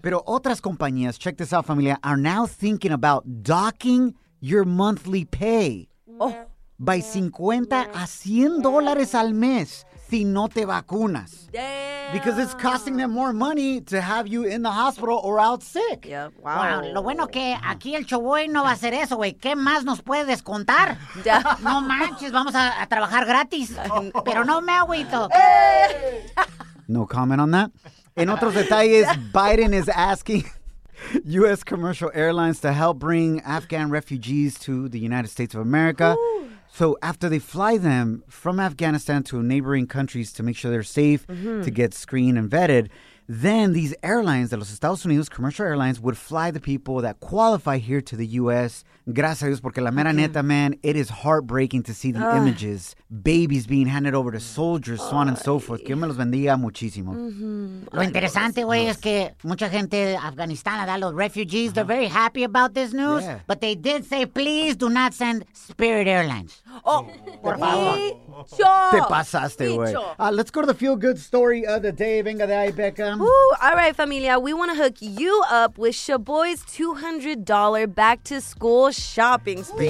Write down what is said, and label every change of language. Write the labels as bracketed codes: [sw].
[es] Pero otras compañías, [en] check this out, familia, are now thinking about docking your monthly pay. Oh. [es] By 50 a $100 al mes si no te vacunas. [en] Damn. Because it's costing them more money to have you in the hospital or out sick. Yep. Wow. Wow. [es] Lo bueno que aquí el Choboy no va a hacer eso, güey. ¿Qué más nos puede descontar? [en] Yeah. [es] No manches, vamos a trabajar gratis. Pero no me agüito. [en] No comment on that. [es] En otros detalles, [en] Biden is asking U.S. commercial airlines to help bring Afghan refugees to the United States of America. Ooh. So after they fly them from Afghanistan to neighboring countries to make sure they're safe, mm-hmm. to get screened and vetted, then these airlines, [es] los Estados Unidos [en] commercial airlines, would fly the people that qualify here to the U.S. [es] Gracias a Dios, porque la mera neta, [en] man, it is heartbreaking to see the images, babies being handed over to soldiers, so on and so forth. [es] Que me los bendiga muchísimo. Mm-hmm. Lo interesante, güey, es que mucha gente de Afganistán, los refugees, uh-huh. [en] they're very happy about this news, yeah. but they did say, please do not send Spirit Airlines. Oh, [es] por favor. Micho. Te pasaste, güey. [en] Let's go to the feel-good story of the day. [es] Venga de ahí, Becca. [en] Ooh, all right, familia. We want to hook you up with Shaboy's $200 back-to-school shopping spree.